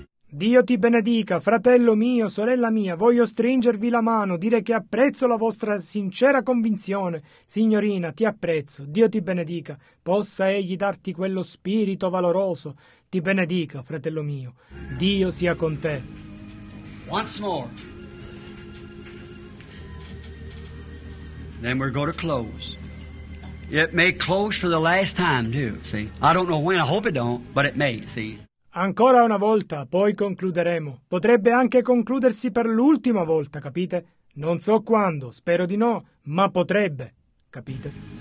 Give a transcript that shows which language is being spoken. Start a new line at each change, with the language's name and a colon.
Italian: Dio ti benedica, fratello mio, sorella mia, voglio stringervi la mano, dire che apprezzo la vostra sincera convinzione. Signorina, ti apprezzo, Dio ti benedica, possa Egli darti quello spirito valoroso. Ti benedica, fratello mio, Dio sia con te.
English: Once more. Then we're going to close. It may close for the last time too, see? I don't know when, I hope it don't, but it may, see?
Italian: Ancora una volta, poi concluderemo. Potrebbe anche concludersi per l'ultima volta, capite? Non so quando, spero di no, ma potrebbe, capite?